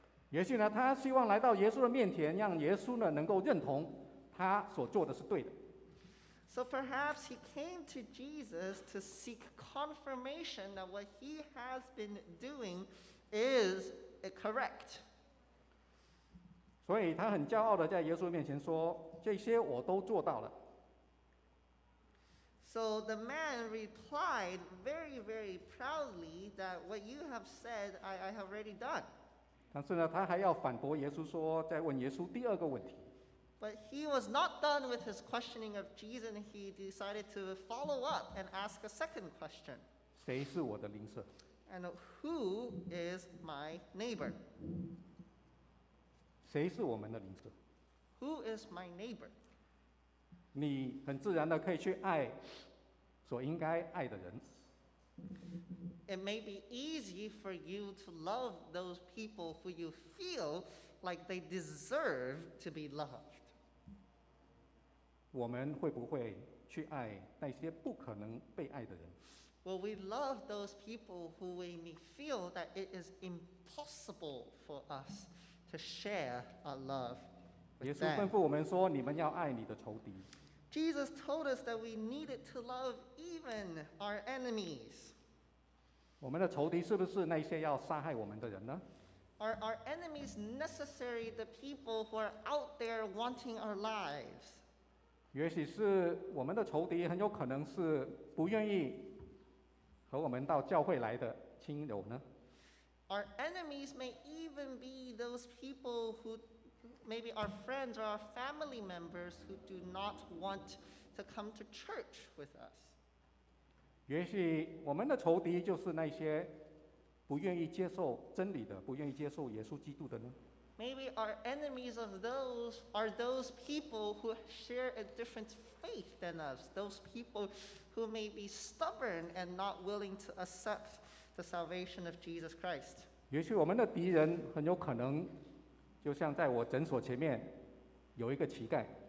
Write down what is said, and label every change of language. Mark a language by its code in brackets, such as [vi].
[zh] 也许呢，他希望来到耶稣的面前，让耶稣呢能够认同他所做的是对的。 [en] So perhaps he came to Jesus to seek confirmation that what he has been doing is correct. [zh] 所以他很骄傲地在耶稣面前说，这些我都做到了。 [en] So the man replied very, very proudly that what you have said, I have already done. [zh] 但是呢，他还要反驳耶稣说，再问耶稣第二个问题。 [en] But he was not done with his questioning of Jesus, and he decided to follow up and ask a second question. [zh] 谁是我的邻舍？ [en] And who is my neighbor? [zh] 谁是我们的邻舍？ [en] Who is my neighbor? [zh] 你很自然的可以去爱所应该爱的人。 [en] It may be easy for you to love those people who you feel like they deserve to be loved. [zh] 我们会不会去爱那些不可能被爱的人？ [en] Will we love those people who we may feel that it is impossible for us to share our love with them? [zh] 耶稣吩咐我们说，你们要爱你的仇敌。 [en] Jesus told us that we needed to love even our enemies. [zh] 我们的仇敌是不是那些要杀害我们的人呢？ [en] Are our enemies necessary the people who are out there wanting our lives? [zh] 也许是我们的仇敌很有可能是不愿意和我们到教会来的亲友呢？ [en] Our enemies may even be those people who maybe our friends or our family members who do not want to come to church with us. [zh] 也许我们的仇敌就是那些不愿意接受真理的，不愿意接受耶稣基督的呢。 [en] Maybe our enemies of those are those people who share a different faith than us. Those people who may be stubborn and not willing to accept the salvation of Jesus Christ. [zh] 也许我们的敌人很有可能，就像在我诊所前面有一个乞丐。